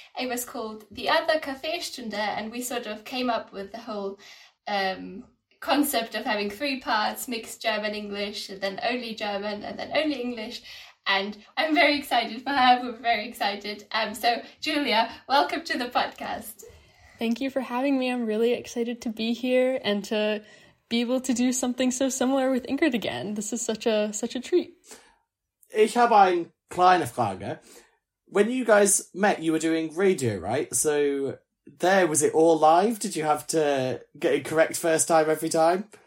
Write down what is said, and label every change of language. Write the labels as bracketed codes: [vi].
[en] It was called The Other Kaffeestunde, and we sort of came up with the whole concept of having three parts, mixed German, English, and then only German, and then only English. And I'm very excited for her. We're very excited. So, Julia, welcome to the podcast. Thank you for having me. I'm really excited to be here and to be able to do something so similar with Ingrid again. This is such a treat. [de] Ich habe eine kleine Frage. [en] When you guys met, you were doing radio, right? So there, was it all live? Did you have to get it correct first time every time?